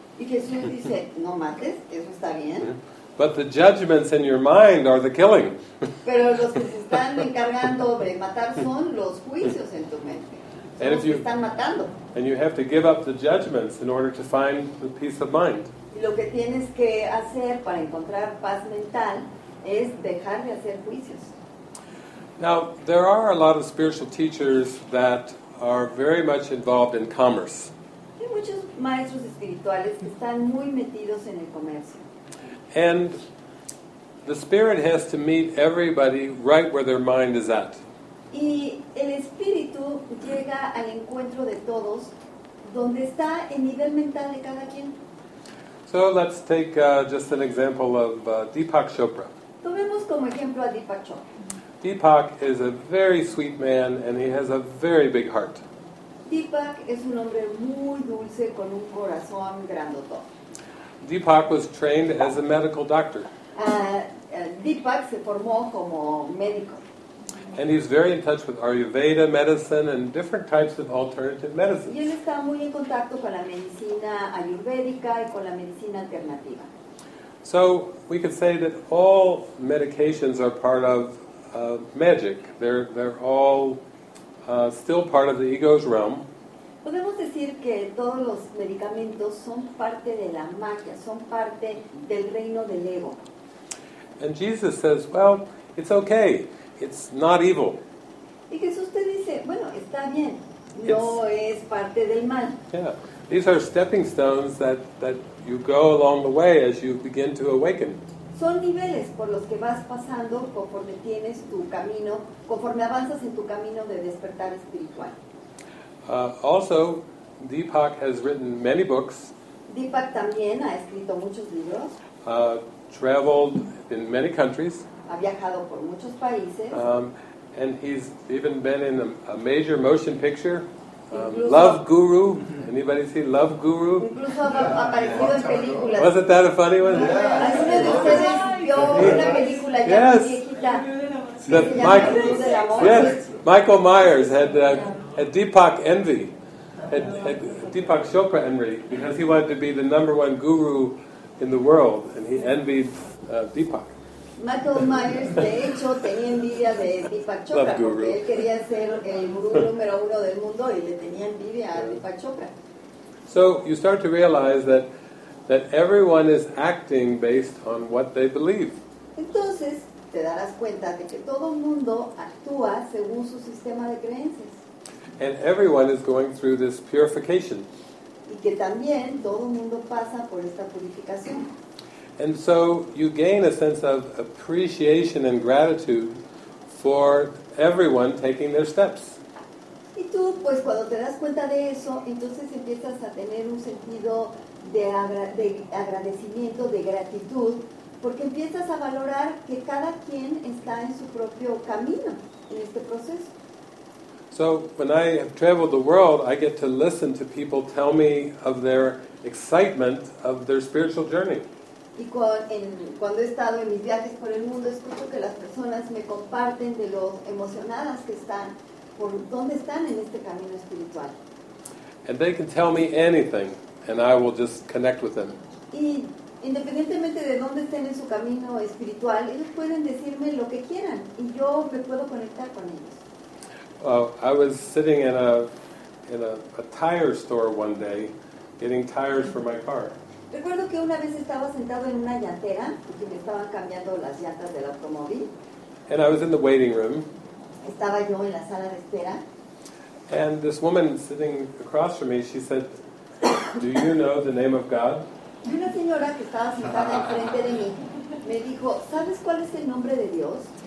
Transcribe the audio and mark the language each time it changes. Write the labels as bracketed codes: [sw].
[es] Y Jesús dice, no mates, eso está bien. [en] But the judgments in your mind are the killing. [es] Pero los que se están encargando de matar son los juicios en tu mente. [en] And if you, [es] están matando. [en] And you have to give up the judgments in order to find the peace of mind. [es] Y lo que tienes que hacer para encontrar paz mental es dejar de hacer juicios. [en] Now, there are a lot of spiritual teachers that are very much involved in commerce. [es] Hay muchos maestros espirituales que están muy metidos en el comercio. [en] And the spirit has to meet everybody right where their mind is at. [es] Y el espíritu llega al encuentro de todos donde está el nivel mental de cada quien. [en] So let's take just an example of Deepak Chopra. [es] Tomemos como ejemplo a Deepak Chopra. [en] Deepak is a very sweet man and he has a very big heart. [es] Deepak es un hombre muy dulce con un corazón grandotón. [en] Deepak was trained as a medical doctor. [es] Deepak se formó como médico. [en] And he's very in touch with Ayurveda medicine and different types of alternative medicines. [es] Y él está muy en contacto con la medicina ayurvédica y con la medicina alternativa. [en] So we could say that all medications are part of magic. They're all still part of the ego's realm. [es] Podemos decir que todos los medicamentos son parte de la magia, son parte del reino del ego. [en] And Jesus says, well, it's okay. It's not evil. [es] Y Jesús te dice, bueno, está bien. No es parte del mal. [en] Yeah. These are stepping stones that you go along the way as you begin to awaken. [es] Son niveles por los que vas pasando conforme tienes tu camino, conforme avanzas en tu camino de despertar espiritual. [en] Also, Deepak has written many books. [es] Deepak también ha escrito muchos libros. [en] Traveled in many countries. [es] Ha viajado por muchos países. [en] And he's even been in a major motion picture. Love Guru. Anybody see Love Guru? [es] Incluso ha aparecido en películas. [en] Wasn't that a funny one? [es] ¿Alguno de ustedes vio una película ya viejita? [en] Yes. Michael Myers had Deepak envy, had Deepak Chopra envy, because he wanted to be the number one guru in the world, and he envied Deepak. [es] Michael Myers, de hecho, tenía envidia de Deepak Chopra, [en] Love [es] porque [en] guru. [es] Él quería ser el guru número uno del mundo, y le tenía envidia a Deepak Chopra. [en] So you start to realize that everyone is acting based on what they believe. [es] Entonces, te darás cuenta de que todo mundo actúa según su sistema de creencias. [en] And everyone is going through this purification. [es] Y que también todo mundo pasa por esta purificación. [en] And so you gain a sense of appreciation and gratitude for everyone taking their steps. [es] Y tú, pues cuando te das cuenta de eso, entonces empiezas a tener un sentido de agradecimiento, de gratitud, porque empiezas a valorar que cada quien está en su propio camino en este proceso. [en] So when I have traveled the world, I get to listen to people tell me of their excitement of their spiritual journey. [es] Y cuando he estado en mis viajes por el mundo, escucho que las personas me comparten de lo emocionadas que están por dónde están en este camino espiritual. [en] And they can tell me anything, and I will just connect with them. [es] Y independientemente de dónde estén en su camino espiritual, ellos pueden decirme lo que quieran, y yo me puedo conectar con ellos. [en] I was sitting in a tire store one day, getting tires for my car. [es] Recuerdo que una vez estaba sentado en una llantera porque me estaban cambiando las llantas del automóvil. [en] And I was in the waiting room. [es] Estaba yo en la sala de espera. [en] And this woman sitting across from me, she said, "Do you know the name of God?" [es] Y una señora que estaba sentada enfrente de mí me dijo, "¿Sabes cuál es el nombre de Dios?"